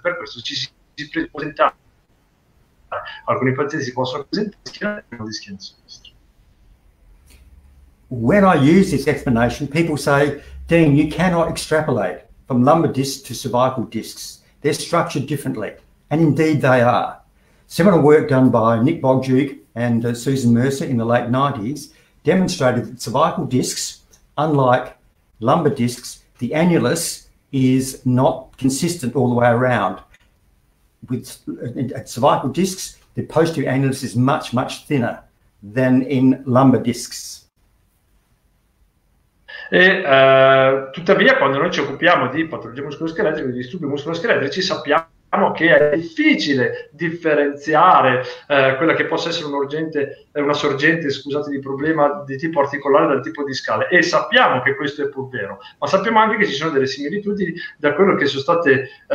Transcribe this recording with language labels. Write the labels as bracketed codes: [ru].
[it] Per questo ci si presenta, alcuni pazienti si possono presentare schiena di schiena sinistra. [en] When I use this explanation, people say, Dean, you cannot extrapolate from lumbar discs to cervical discs. They're structured differently. And indeed they are. Seminal work done by Nick Bogduke and Susan Mercer in the late 90s demonstrated that cervical discs, unlike lumbar discs, the annulus is not consistent all the way around. With cervical discs, the posterior annulus is much, much thinner than in lumbar discs. [it] E tuttavia quando noi ci occupiamo di patologie muscoloscheletriche, di disturbi muscoloscheletrici, sappiamo che è difficile differenziare quella che possa essere una sorgente di problema di tipo articolare dal tipo discale, e sappiamo che questo è pur vero, ma sappiamo anche che ci sono delle similitudini da quello che sono state